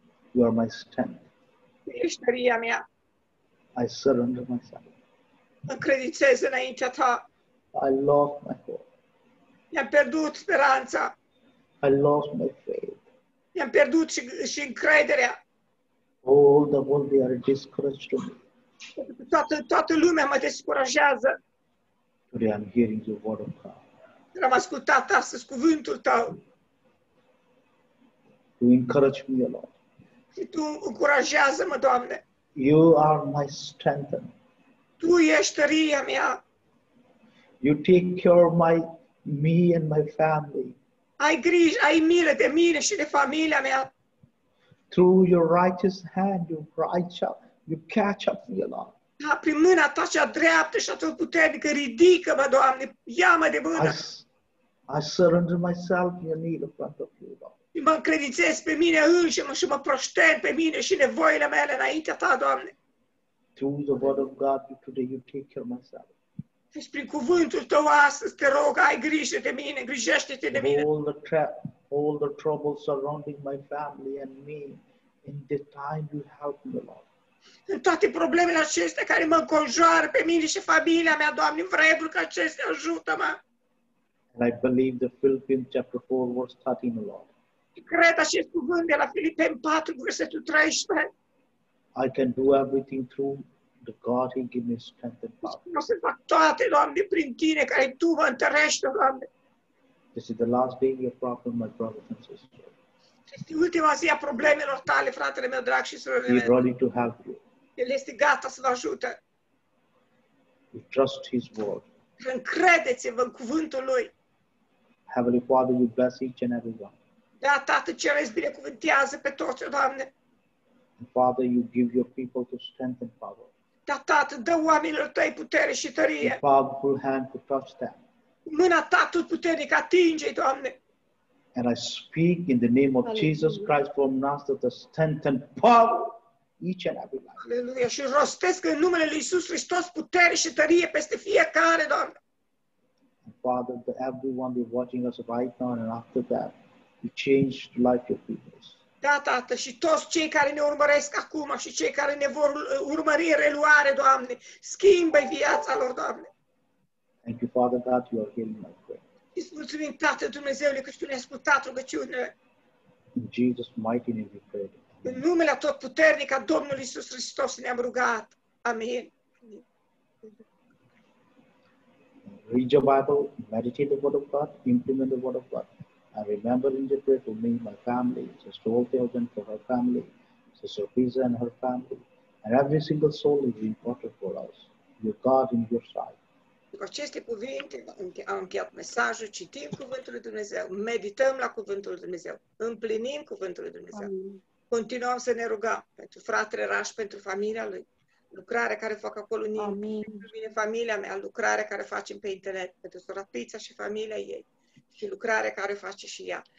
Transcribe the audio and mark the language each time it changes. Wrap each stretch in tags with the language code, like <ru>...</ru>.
<en>You are my strength.</en> <ro>Ești tăria mea.</ro> <en>I surrender myself.</en> <ro>Mă credințez înaintea Ta.</ro> <en>I lost my hope.</en> <ro>I-am pierdut speranța.</ro> <en>I lost my faith.</en> <ro>I-am pierdut și încrederea.</ro> <en>All the world they are discouraged to me.</en> <ro>Toată lumea mă descurajează.</ro> <en>Today I'm hearing the word of God.</en> <ro>Am ascultat astăzi cuvântul Tău.</ro> <en>You encourage me, Lord.</en> <ro>Și Tu încurajează-mă, Doamne.</ro> <en>You are my strength.</en> <ro>Tu ești tăria mea.</ro> <en>You take care of me and my family.</en> <ro>Ai grijă, ai milă de mine și de familia mea.</ro> <en>Through your righteous hand, you catch up me, Lord.</en> <ro>Da, prin mâna Ta cea dreaptă și atât puternică, ridică-mă, Doamne, ia-mă de mână.</ro> <en>I surrender myself in your need in front of you, Lord.</en> <ro>Mă încredințez pe mine înșimă și mă prostez pe mine și nevoile mele înaintea Ta, Doamne.</ro> <en>Through the word of God, today you take care of myself.</en> <ro>Și prin cuvântul Tău astăzi, te rog, ai grijă de mine, grijește-te de mine.</ro> <en>All the troubles surrounding my family and me, in the time you help me, Lord.</en> <ro>În toate problemele acestea care mă înconjoară pe mine și familia mea, Doamne, vreau că acestea ajută-mă.</ro> <en>And I believe the Philippians chapter 4 verse 13, Lord.</en> <ro>Cred acest cuvânt de la Filipeni 4 versetul 13.</ro> <en>I can do everything through the God who gives me strength and power.</en> <ro>Să fac toate, Doamne, prin Tine care Tu mă întărești, Doamne.</ro> <en>This is the last day of problem, my brothers and sisters.</en> <ro>Este ultima zi a problemelor tale, fratele meu drag și sorele mele.</ro> <en>He's ready to help you.</en> <ro>El este gata să vă ajute.</ro> <en>You trust His word.</en> <ro>Încredeți-vă în cuvântul Lui.</ro> <en>Heavenly Father, you bless each and every one.</en> <ro>Da, Tată Ceresc, binecuvântează pe toți, Doamne.</ro> <en>And Father, you give your people to strength and power.</en> <ro>Da, Tată, dă oamenilor Tăi putere și tărie.</ro> <en>Your powerful hand to touch them.</en> <ro>Mâna Ta tot puternică, atinge-i, Doamne.</ro> <en>And I speak in the name of Jesus Christ from Nazareth, the strength and power each and every one.</en> <ro>Aleluia, și rostesc în numele lui Iisus Hristos putere și tărie peste fiecare, Doamne.</ro> <en>Father, to everyone who is watching us right now and after that, you change the life of people.</en> <ro>Da, Tată, și toți cei care ne urmăresc acum și cei care ne vor urmări în reluare, Doamne, schimbă viața lor, Doamne.</ro> <en>Thank you, Father God, you are healing my prayer.</en> <ro>Îți mulțumim, Tată Dumnezeule, că Tu ne-ai ascultat rugăciunea.</ro> <en>In Jesus' mighty name we pray.</en> <ro>În numele tot puternic a Domnului Iisus Hristos ne-am rugat. Amin.</ro> <en>Read your Bible, meditate the Word of God, implement the Word of God. I remember in the prayer for me, my family, Sister Oldfield and for her family, Sister Pisa and her family, and every single soul is important for us. Your God in your sight.</en> <ro>Cu aceste cuvinte am încheiat mesajul, citim Cuvântul lui Dumnezeu, medităm la Cuvântul lui Dumnezeu, împlinim Cuvântul lui Dumnezeu. Amin. Continuăm să ne rugăm pentru fratele Raș, pentru familia lui, lucrarea care fac acolo în pentru mine, familia mea, lucrarea care facem pe internet, pentru sora Pița și familia ei și lucrarea care face și ea.</ro>